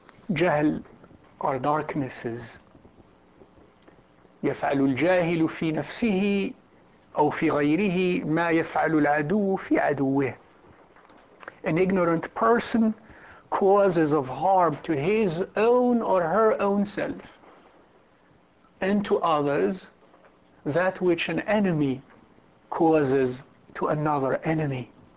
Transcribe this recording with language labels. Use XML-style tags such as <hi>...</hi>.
<en>جهل are darknesses.</en> <ar>يفعل الجاهل في نفسه أو في غيره ما يفعل العدو في عدوه.</ar> <en>An ignorant person causes of harm to his own or her own self and to others that which an enemy causes to another enemy.</en>